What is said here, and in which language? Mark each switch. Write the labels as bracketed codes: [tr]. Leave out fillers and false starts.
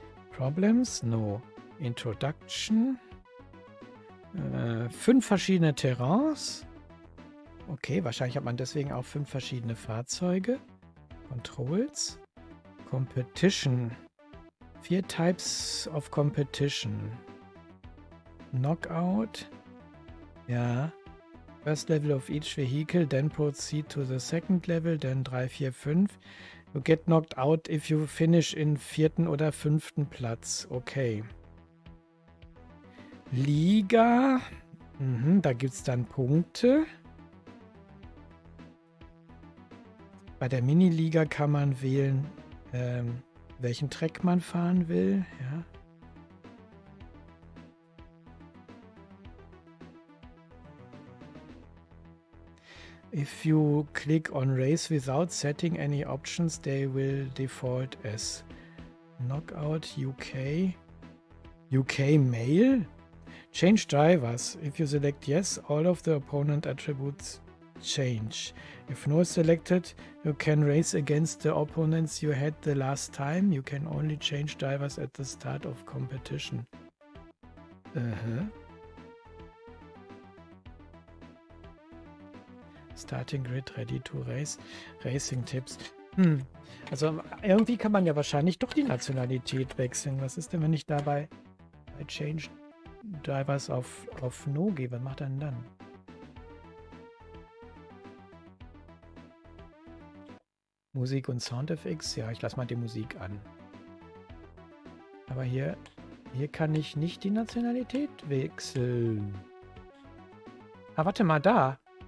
[en] Problems? No. Introduction. [de] Fünf verschiedene Terrains. Okay, wahrscheinlich hat man deswegen auch fünf verschiedene Fahrzeuge. [en] Controls. Competition. Vier Types of Competition. Knockout. Ja. First level of each vehicle, then proceed to the second level, then 3, 4, 5. You get knocked out if you finish in [de] vierten oder fünften Platz. [en] Okay. [de] Liga. Mhm, da gibt es dann Punkte. Bei der Mini-Liga kann man wählen, welchen Track man fahren will. Ja. [en] If you click on race without setting any options, they will default as Knockout UK. UK Mail? Change drivers. If you select yes, all of the opponent attributes change. If no selected, you can race against the opponents you had the last time. You can only change drivers at the start of competition. Starting grid, ready to race. Racing tips. [de] Also irgendwie kann man ja wahrscheinlich doch die Nationalität wechseln. Was ist denn, wenn ich dabei bei change drivers auf no gehe? Was macht er denn dann? Musik und Soundeffekte, ja, ich lasse mal die Musik an. Aber hier kann ich nicht die Nationalität wechseln. Ah, warte mal, da.